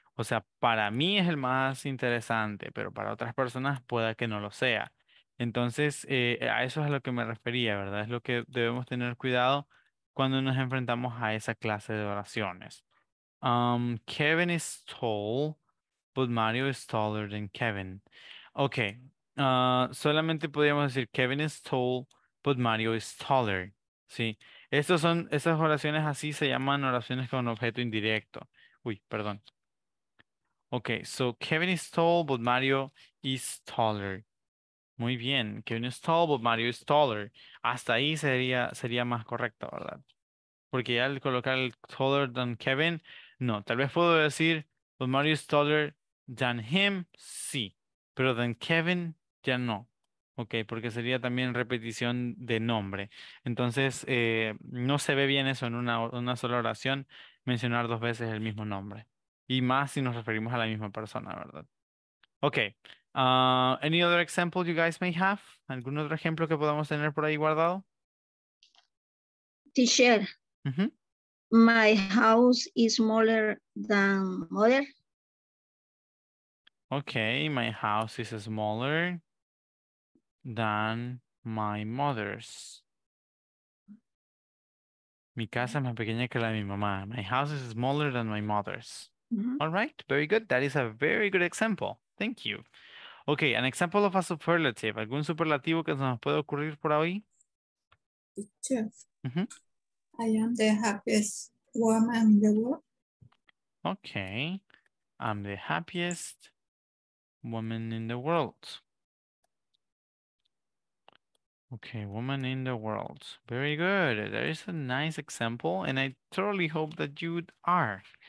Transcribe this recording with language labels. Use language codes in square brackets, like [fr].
[es] O sea, para mí es el más interesante, pero para otras personas pueda que no lo sea. Entonces, a eso es a lo que me refería, ¿verdad? Es lo que debemos tener cuidado cuando nos enfrentamos a esa clase de oraciones. [en] Kevin is tall, but Mario is taller than Kevin. [es] Ok, solamente podríamos decir [en] Kevin is tall, but Mario is taller. [es] Sí, esas oraciones así se llaman oraciones con objeto indirecto. Uy, perdón. [en] Ok, so Kevin is tall, but Mario is taller. [es] Muy bien, [en] Kevin is tall, but Mario is taller. [es] Hasta ahí sería más correcto, ¿verdad? Porque ya al colocar el [en] taller than Kevin, [es] no. Tal vez puedo decir, [en] but Mario is taller than him, [es] sí. Pero [en] than Kevin, [es] ya no. Ok, porque sería también repetición de nombre. Entonces, no se ve bien eso en una sola oración, mencionar dos veces el mismo nombre. Y más si nos referimos a la misma persona, ¿verdad? Ok. [en] Any other example you guys may have? [es] ¿Algún otro ejemplo que podamos tener por ahí guardado? [en] Teacher. Mm-hmm. My house is smaller than mother. Okay, my house is smaller than my mother's. [es] Mi casa es más pequeña que la de mi mamá. [en] My house is smaller than my mother's. Mm-hmm. All right, very good. That is a very good example. Thank you. Okay, an example of a superlative. [es] ¿Algún superlativo que se nos puede ocurrir por ahí? [en] Teacher, mm-hmm. I am the happiest woman in the world. Okay, I'm the happiest woman in the world. Okay, woman in the world. Very good. That is a nice example, and I truly hope that you are.